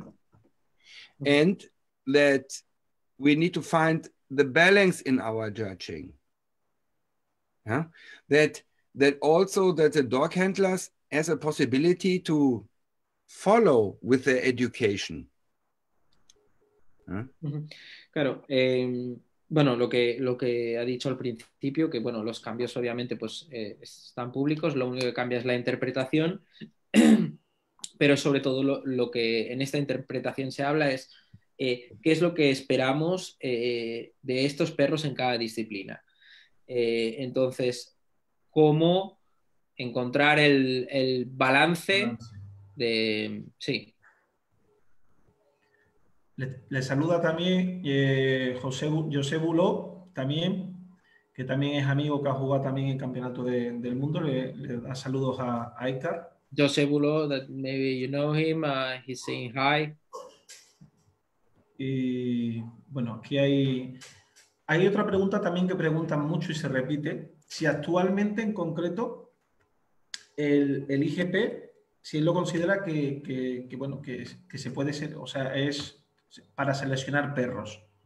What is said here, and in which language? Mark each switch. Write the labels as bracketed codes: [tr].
[en] Mm-hmm. And that we need to find the balance in our judging. Yeah, that also that the dog handlers has a possibility to follow with their education. Yeah. [es] Claro, bueno, lo que ha dicho al principio, que bueno, los cambios obviamente pues están públicos, lo único que cambia es la interpretación, pero sobre todo lo que en esta interpretación se habla es qué es lo que esperamos de estos perros en cada disciplina. Entonces, ¿cómo encontrar el balance de sí? Le saluda también José Buló, también, que también es amigo, que ha jugado también en campeonato del mundo. Le da saludos a Edgar. [en] José Buló, that maybe you know him, he's saying hi. [es] Y bueno, aquí hay. Hay otra pregunta también que preguntan mucho y se repite. Si actualmente, en concreto, el IGP, si él lo considera que bueno, que se puede ser, o sea, es para seleccionar perros.